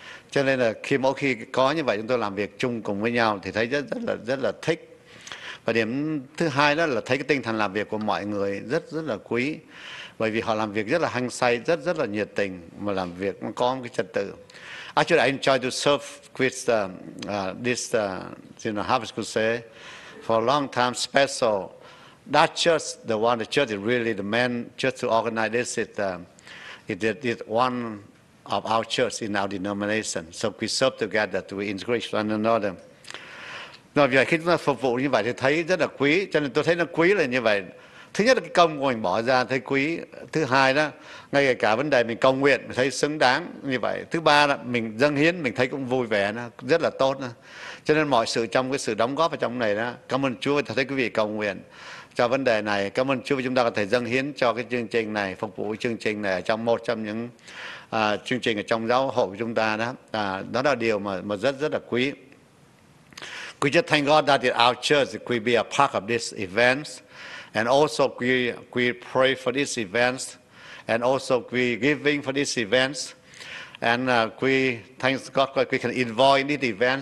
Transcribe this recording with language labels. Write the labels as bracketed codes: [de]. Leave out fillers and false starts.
[vi] Cho nên là khi mỗi khi có như vậy chúng tôi làm việc chung cùng với nhau thì thấy rất là thích. Và điểm thứ hai đó là thấy cái tinh thần làm việc của mọi người rất là quý, bởi vì họ làm việc rất là hăng say, rất là nhiệt tình, mà làm việc nó có một cái trật tự. [en] Actually, I enjoy to serve with this Harvest Crusade for a long time special. That church, the one the church is really the main church to organize this, it is one of our church in our denomination. So we serve together, we integrate one another. [vi] Rồi vì vậy khi chúng ta phục vụ như vậy thì thấy rất là quý, cho nên tôi thấy nó quý là như vậy. Thứ nhất là cái công của mình bỏ ra thấy quý. Thứ hai đó, ngay cả vấn đề mình cầu nguyện mình thấy xứng đáng như vậy. Thứ ba là mình dâng hiến mình thấy cũng vui vẻ, nó rất là tốt. Cho nên mọi sự trong cái sự đóng góp ở trong này đó, cảm ơn Chúa, tôi thấy quý vị cầu nguyện cho vấn đề này. Cảm ơn Chúa vì chúng ta có thể dâng hiến cho cái chương trình này, phục vụ chương trình này trong một trong những chương trình ở trong giáo hội của chúng ta đó. Đó là điều mà rất là quý. [en] We just thank God that in our church we be a part of this event, and also we pray for this event, and also we giving for this event, and we thank God that we can involve in this event.